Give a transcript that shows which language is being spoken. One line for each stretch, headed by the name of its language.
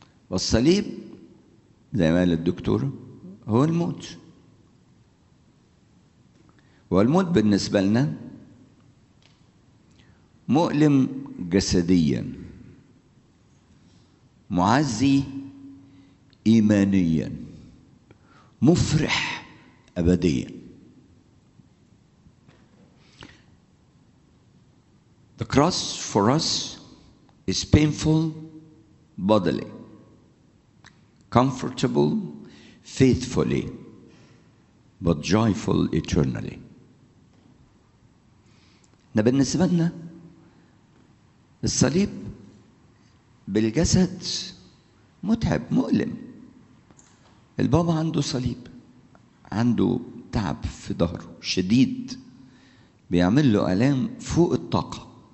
Arabic: والصليب زي ما قال الدكتور هو الموت، والموت بالنسبة لنا مؤلم جسديا، معزي إيمانيا، مفرح أبديا.
English: The cross for us is painful bodily, comfortable faithfully, but joyful eternally.
Arabic: ده بالنسبة لنا الصليب بالجسد متعب مؤلم. البابا عنده صليب، عنده تعب في ظهره شديد بيعمل له آلام فوق الطاقة،